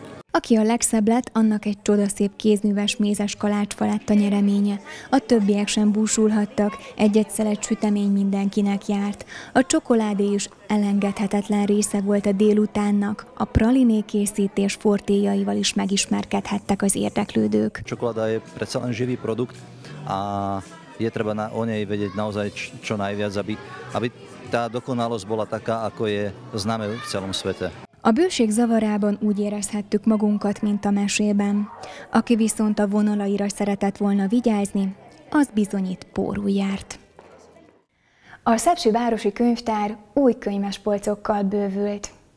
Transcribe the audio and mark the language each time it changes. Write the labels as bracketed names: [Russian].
[Hungarian] Aki a legszebb lett, annak egy csodaszép kézműves mézes kalácsfa lett a nyereménye. A többiek sem búsulhattak, egy-egy szelet sütemény mindenkinek járt. A csokoládé is elengedhetetlen része volt a délutánnak. A praliné készítés fortéjaival is megismerkedhettek az érdeklődők. A csokoládé egy precízen [Slovak] živý produkt, [Hungarian] a... [Slovak] Je treba o nej vedieť naozaj čo najviac, aby tá dokonalosť bola taká, ako je známe v celom svete. [Hungarian] A bőség zavarában úgy érezhettük magunkat, mint a mesében. Aki viszont a vonalaira szeretett volna vigyázni, az bizonyít pórul járt. A Szepsi Városi Könyvtár új könyvespolcokkal bővült.